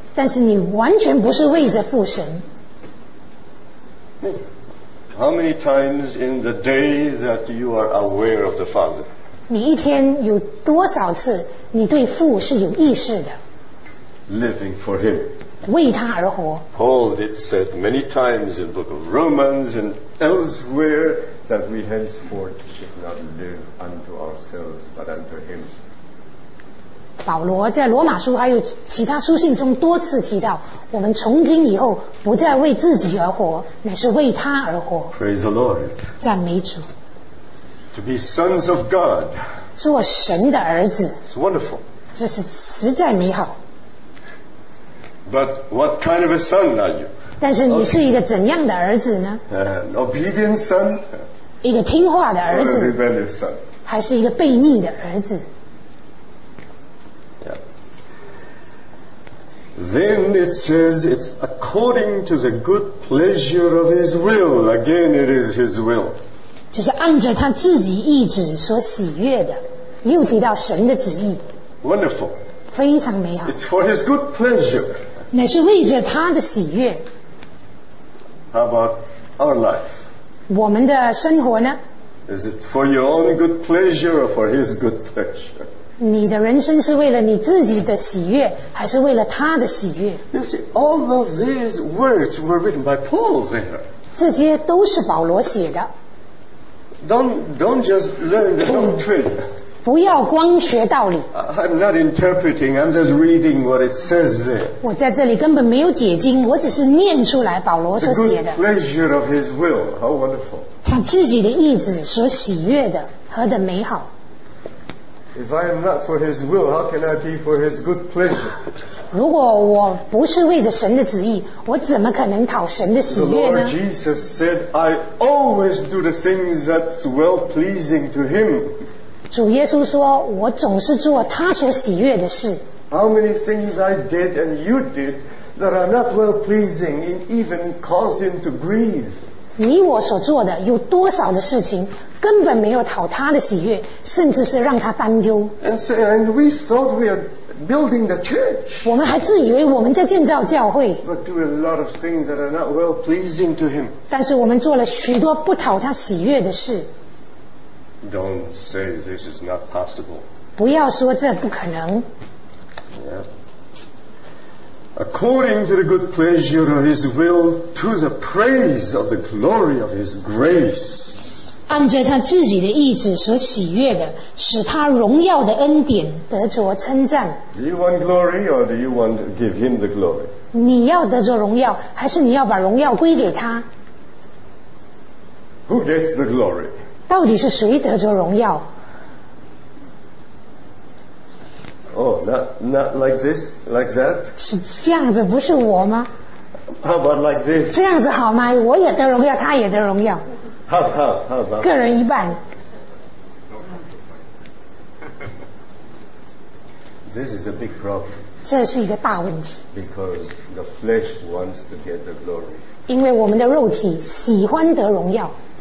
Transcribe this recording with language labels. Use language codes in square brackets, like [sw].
[zh] 但是你完全不是为着父神。 [en] How many times in the day that you are aware of the Father? [zh] 你一天有多少次你对父是有意识的？ [en] Living for him. [zh] 为他而活。 [en] Paul did said many times in the book of Romans and elsewhere that we henceforth should not live unto ourselves but unto him. [zh] 保罗在罗马书还有其他书信中多次提到，我们从今以后不再为自己而活，乃是为他而活。 [en] Praise the Lord. [zh] 赞美主。 [en] To be sons of God. [zh] 做神的儿子。 [en] It's wonderful. [zh] 这是实在美好。 [en] But what kind of a son are you? [zh] 但是你是一个怎样的儿子呢？ [en] An obedient son. [zh] 一个听话的儿子 [en] or a rebellious son. [zh] 还是一个悖逆的儿子 [en] Then it says it's according to the good pleasure of his will. Again, it is his will. [zh] 就是按着他自己意志所喜悦的，又提到神的旨意。 [en] Wonderful. [zh] 非常美好。 [en] It's for his good pleasure. [zh] 乃是为着他的喜悦。 [en] How about our life? [zh] 我们的生活呢？ [en] Is it for your own good pleasure or for his good pleasure? [zh] 你的人生是为了你自己的喜悦，还是为了他的喜悦？ [en] You see, all of these words were written by Paul there. [zh] 这些都是保罗写的。 [en] Don't just learn the doctrine. [zh] 不要光学道理。 [en] I'm not interpreting, I'm just reading what it says there. [zh] 我在这里根本没有解经，我只是念出来保罗所写的。 [en] The good pleasure of his will, how wonderful. [zh] 他自己的意志所喜悦的，何等美好。 [en] If I am not for his will, how can I be for his good pleasure? [zh] 如果我不是为着神的旨意，我怎么可能讨神的喜悦呢？ [en] The Lord Jesus said, I always do the things that's well pleasing to him. [zh] 主耶稣说，我总是做他所喜悦的事。 [en] How many things I did and you did that are not well pleasing and even cause him to grieve? [zh] 你我所做的有多少的事情根本没有讨他的喜悦，甚至是让他担忧。 [en] And we thought we are building the church. [zh] 我们还自以为我们在建造教会。 [en] But do a lot of things that are not well pleasing to him. [zh] 但是我们做了许多不讨他喜悦的事。 [en] Don't say this is not possible. [zh] 不要说这不可能。 [en] Yeah. According to the good pleasure of his will, to the praise of the glory of his grace. [zh] 按着他自己的意志所喜悦的，使他荣耀的恩典得着称赞。 [en] Do you want glory or do you want to give him the glory? [zh] 你要得着荣耀，还是你要把荣耀归给他？ [en] Who gets the glory? [zh] 到底是谁得着荣耀？ [en] Oh, not like this, like that? [zh] 是这样子，不是我吗？ [en] How about like this? [zh] 这样子好吗？我也得荣耀，他也得荣耀。 [en] How about? [zh] 个人一半。 [en] This is a big problem. [zh] 这是一个大问题。 [en] Because the flesh wants to get the glory. [zh] 因为我们的肉体喜欢得荣耀。